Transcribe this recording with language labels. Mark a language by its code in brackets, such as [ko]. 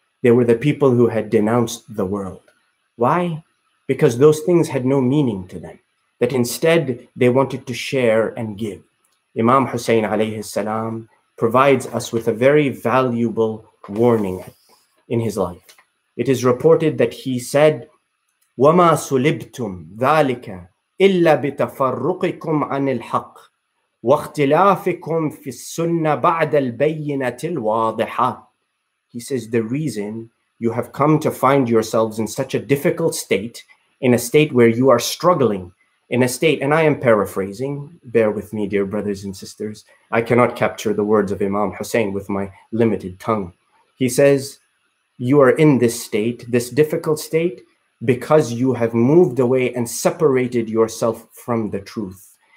[en] They were the people who had denounced the world. Why? Because those things had no meaning to them. That instead, they wanted to share and give. Imam Hussain alayhi salam provides us with a very valuable warning in his life. [ar] It is reported that he said, وَمَا سُلِبْتُمْ ذَلِكَ إِلَّا بِتَفَرُّقِكُمْ عَنِ الْحَقِّ وَاخْتِلَافِكُمْ فِي السُنَّةِ بَعْدَ الْبَيِّنَةِ الْوَاضِحَةِ. [en] He says, the reason you have come to find yourselves in such a difficult state, in a state where you are struggling, in a state, and I am paraphrasing, bear with me, dear brothers and sisters, I cannot capture the words of Imam Hussain with my limited tongue. He says, you are in this state, this difficult state, because you have moved away and separated yourself from the truth.